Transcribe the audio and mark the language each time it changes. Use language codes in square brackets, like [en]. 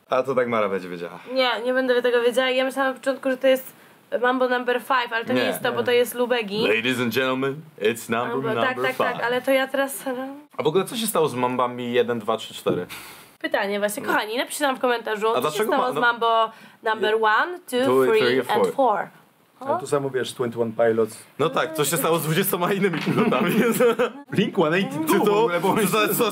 [pl] A co tak Mara będzie wiedziała? Nie będę tego wiedziała. Ja myślałam na początku, że to jest Mambo number 5, ale to nie jest to, bo to jest Lubegi. [en] Ladies and gentlemen, it's number 5. [pl] Tak, ale to ja teraz... A w ogóle co się stało z Mambami 1, 2, 3, 4? Pytanie właśnie, kochani, napiszcie nam w komentarzu, co się stało z Mambo number 1, 2, 3 and 4. A to samo wiesz z 21 Pilots. No tak, co się stało z 20 innymi pilotami. Link 182.